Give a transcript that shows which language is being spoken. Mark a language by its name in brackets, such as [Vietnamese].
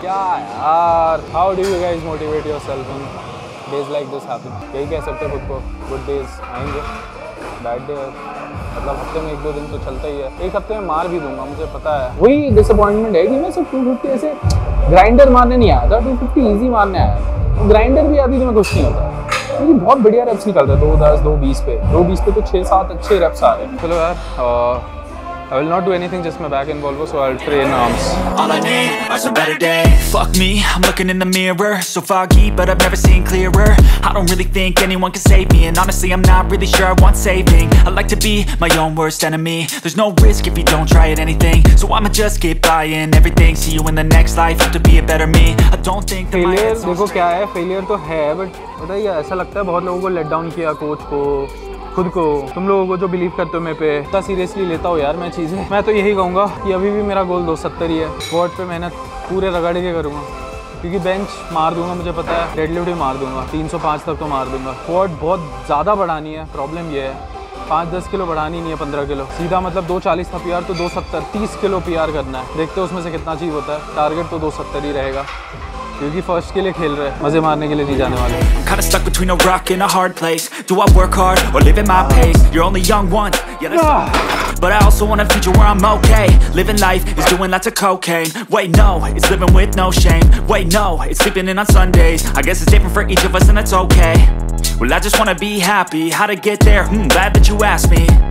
[Hindi] क्या यार, [English] how do you guys motivate yourself in days like this happen, [Hindi] यही कह सकते खुद को, गुड डेज आएंगे बैड डे, मतलब हफ्ते में एक दो दिन तो चलता ही है, एक हफ्ते में मार भी दूंगा मुझे पता है. वही डिसअपॉइंटमेंट है कि मैं सब 250 ऐसे ग्राइंडर मारने नहीं आया था, 250 ईजी मारने आया, ग्राइंडर भी अभी तुम्हें कुछ नहीं होता क्योंकि बहुत बढ़िया रैप्स निकलते हैं 2-10, 2-20 पे, 2-20 पे तो 6-7 अच्छे रैप्स आ रहे हैं. चलो यार [English] I will not do anything just my back involved, so I'll train arms. All I need are some better days. Fuck me, I'm looking in the mirror. So foggy, but I've never seen clearer. I don't really think anyone can save me. And honestly, I'm not really sure I want saving. I like to be my own worst enemy. There's no risk if you don't try at anything. So I'ma just keep buying everything. See you in the next life, have to be a better me. I don't think that failure, my head's on straight. Failure to have, but [Hindi] पता ही ऐसा लगता है बहुत लोगों को let down किया coach को खुद को तुम लोगों को जो बिलीव करते हो मैं पे इतना सीरियसली लेता हूँ यार मैं चीज़ें मैं तो यही कहूँगा कि अभी भी मेरा गोल 270 ही है स्क्वाट पे मेहनत पूरे रगड़ के करूँगा क्योंकि बेंच मार दूंगा मुझे पता है डेडलिफ्ट भी मार दूंगा 305 तक तो मार दूंगा स्क्वाट बहुत ज़्यादा बढ़ानी है प्रॉब्लम यह है 5-10 किलो बढ़ानी नहीं है 15 किलो सीधा मतलब 240 था पीआर तो 270 30 किलो पीआर करना है देखते हो उसमें से कितना अचीव होता है टारगेट तो 270 ही रहेगा क्योंकि फर्स्ट के लिए खेल रहे हैं मजे मारने के लिए नहीं जाने वाले [English] Kinda stuck between a rock and a hard place. Do I work hard or live at my pace? You're only young once, yeah, that's But I also want a future where I'm okay. Living life is doing lots of cocaine. Wait, no, it's living with no shame. Wait, no, it's sleeping in on Sundays. I guess it's different for each of us and it's okay. Well, I just want to be happy. How to get there? Glad that you asked me.